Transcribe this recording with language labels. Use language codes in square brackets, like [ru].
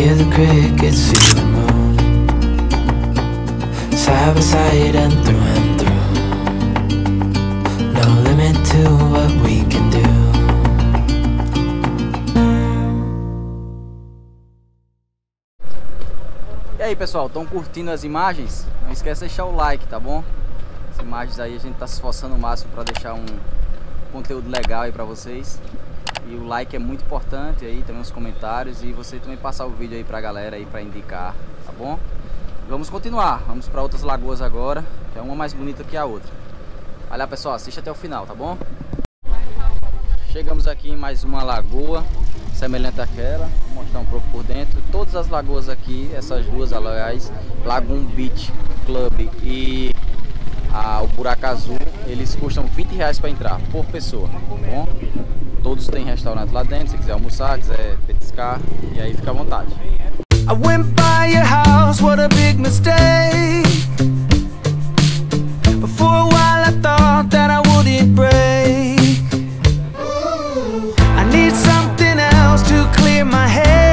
[en] Crickets see the moon, side by side and through, no limit to what we can do. [pt] E aí pessoal, estão curtindo as imagens? Não esquece de deixar o like, tá bom? As imagens aí a gente tá se esforçando o máximo para deixar um conteúdo legal aí para vocês. E o like é muito importante aí, também os comentários, e você também passar o vídeo aí pra galera aí pra indicar, tá bom? Vamos continuar, vamos pra outras lagoas agora, que é uma mais bonita que a outra. Olha pessoal, assiste até o final, tá bom? Chegamos aqui em mais uma lagoa, semelhante àquela, vou mostrar um pouco por dentro. Todas as lagoas aqui, essas duas aliás, Lagoon Beach Club e o Buraco Azul, eles custam R$20 pra entrar, por pessoa, tá bom? Todos têm restaurante lá dentro, se quiser almoçar, quiser petiscar, e aí fica à vontade. [en] I went by your house, what a big mistake. For a while I thought that I wouldn't break. I need something else to clear my head.